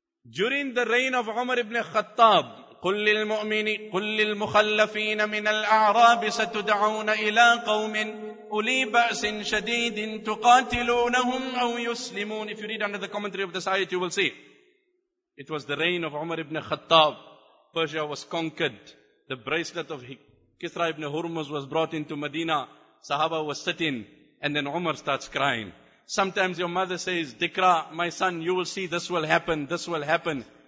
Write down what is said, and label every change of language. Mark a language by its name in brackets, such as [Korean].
[English] During the reign of Umar ibn Khattab, [Arabic] قل للمخلفين من الأعراب ستدعون إلى قوم أولي بأس شديد تقاتلونهم أو يسلمون. [English] If you read under the commentary of this ayat, you will see it was the reign of Umar ibn Khattab. Persia was conquered. The bracelet of Kisra ibn Hurmuz was brought into Medina. Sahaba was sitting, and then Umar starts crying. Sometimes your mother says, Dikra, my son, you will see this will happen, this will happen.